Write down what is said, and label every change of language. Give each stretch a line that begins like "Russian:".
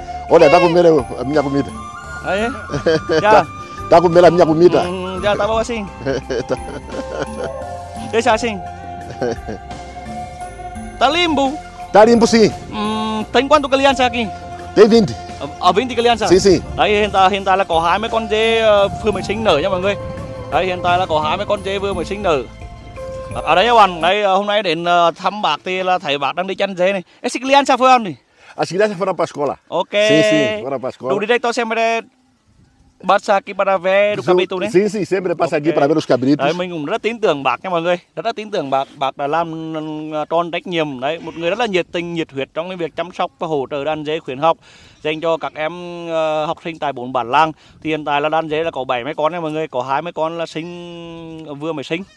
Portuguese: Olha, tá com medo a minha comida. Aí? Tá com medo a minha comida? Já, tá bom assim. Deixa assim. Tá limpo? Tá limpo, sim. Tem quanto criança aqui? Tem 20. Ah, 20 criança? Sim, sim.
Vietnamese: Aí, hiện tại là có 20 con dê vừa mới sinh nở nha, mọi người. Aí, hiện tại là có 20 con dê vừa mới sinh nở. Ở đây, bạn, đây, hôm nay đến thăm bác thì là thấy bác đang đi chăn dê này.
Portuguese: Esse criança foi onde? As crianças foram para a escola. Ok. Sim, sim, foram para a escola. O diretor sempre passa aqui para ver o cabrito, né? Sim, sim, sempre passa aqui para ver os cabritos.
Vietnamese: Aí, mình cũng rất tin tưởng bác nha mọi người. Rất là tin tưởng bác. Bác đã làm tròn trách nhiệm. Đấy, một người rất là nhiệt tình, nhiệt huyết trong việc chăm sóc và hỗ trợ đàn dế khuyến học dành cho các em học sinh tại bốn bản làng. Thì hiện tại là đàn dế là có 70 con nha mọi người. Có 20 con là sinh, vừa mới sinh.